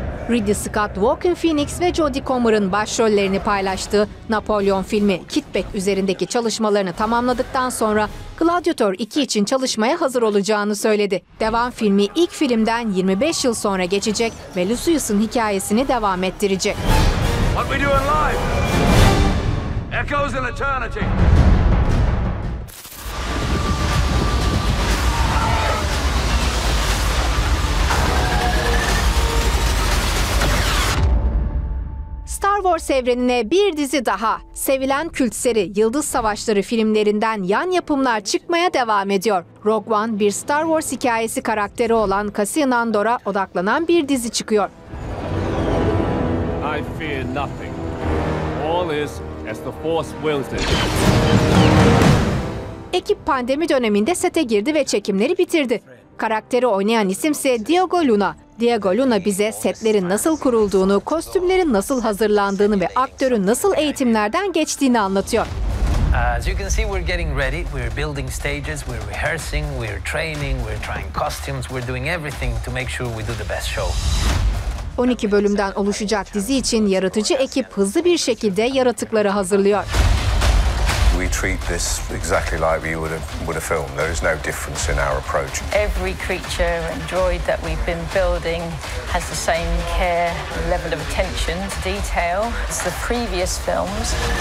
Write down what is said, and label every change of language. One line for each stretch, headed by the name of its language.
Turkish: Ridley Scott, Joaquin Phoenix ve Jodie Comer'ın başrollerini paylaştığı Napolyon filmi, Kitback üzerindeki çalışmalarını tamamladıktan sonra Gladiator 2 için çalışmaya hazır olacağını söyledi. Devam filmi ilk filmden 25 yıl sonra geçecek ve Lucius'un hikayesini devam ettirecek.
English: What we do in life echoes in eternity.
Turkish: Star Wars evrenine bir dizi daha. Sevilen kült seri Yıldız Savaşları filmlerinden yan yapımlar çıkmaya devam ediyor. Rogue One, bir Star Wars hikayesi karakteri olan Cassian Andor'a odaklanan bir dizi çıkıyor.
English: I fear nothing. All is as the Force wills it.
Turkish: Ekip pandemi döneminde sete girdi ve çekimleri bitirdi. Karakteri oynayan isimse Diego Luna. Diego Luna bize setlerin nasıl kurulduğunu, kostümlerin nasıl hazırlandığını ve aktörün nasıl eğitimlerden geçtiğini anlatıyor.
English: As you can see, we're getting ready, we're building stages, we're rehearsing, we're training, we're trying costumes, we're doing everything to make sure we do the best show.
Turkish: 12 bölümden oluşacak dizi için yaratıcı ekip hızlı bir şekilde yaratıkları hazırlıyor.
English: We treat this exactly like we would a film. There is no difference in our approach. Every creature and droid that we've been building has the same care, level of attention to detail as the previous films.